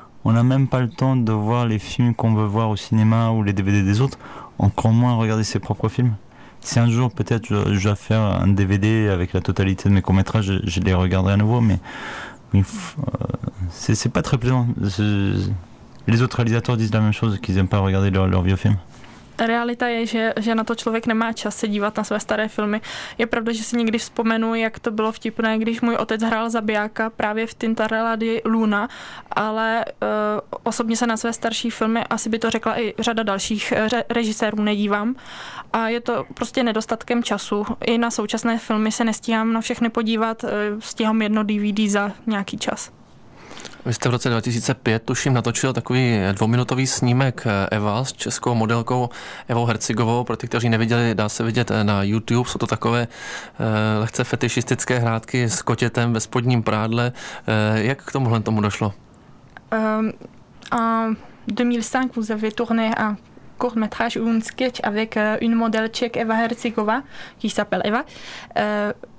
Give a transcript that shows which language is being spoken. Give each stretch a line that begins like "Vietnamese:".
French: On n'a même pas le temps de voir les films qu'on veut voir au cinéma ou les DVD des autres, encore moins regarder ses propres films. Si un jour, peut-être, je vais faire un DVD avec la totalité de mes courts-métrages, je les regarderai à nouveau, mais c'est pas très plaisant. Les autres réalisateurs disent la même chose, qu'ils n'aiment pas regarder leurs vieux films.
Czech: Realita je, že na to člověk nemá čas se dívat na své staré filmy. Je pravda, že si někdy vzpomenu, jak to bylo vtipné, když můj otec hrál zabijáka právě v Tintarella di Luna, ale osobně se na své starší filmy, asi by to řekla i řada dalších režisérů, nedívám. A je to prostě nedostatkem času. I na současné filmy se nestíhám na všechny podívat, stíhám jedno DVD za nějaký čas. Vy jste v roce 2005, tuším, natočil takový dvouminutový snímek Eva s českou modelkou Evou Herzigovou. Pro ty, kteří neviděli, dá se vidět na YouTube. Jsou to takové lehce fetišistické hrátky s kotětem ve spodním prádle. Jak k tomuhle tomu došlo?
French: En 2005, vous avez tourné un court-métrage, un sketch avec une modèle tchèque Eva Herzigova, qui s'appelle Eva.